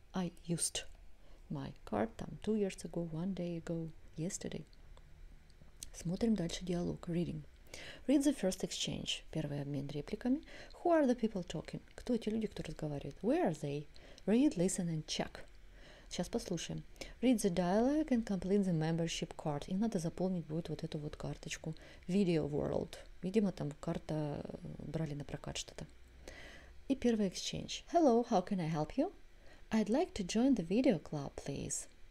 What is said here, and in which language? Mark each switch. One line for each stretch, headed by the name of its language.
English: I used my card
Russian: там
English: 2 years ago, 1 day ago, yesterday.
Russian: Смотрим дальше диалог.
English: Reading. Read the first exchange.
Russian: Первый обмен репликами.
English: Who are the people talking?
Russian: Кто эти люди, кто разговаривает?
English: Where are they? Read, listen and check.
Russian: Сейчас послушаем.
English: Read the dialogue and complete the membership card.
Russian: Им надо заполнить будет вот эту вот карточку.
English: Video world.
Russian: Видимо, там карта брали на прокат что-то. И первый
English: exchange. Hello, how can I help you? I'd like to join the video club, please.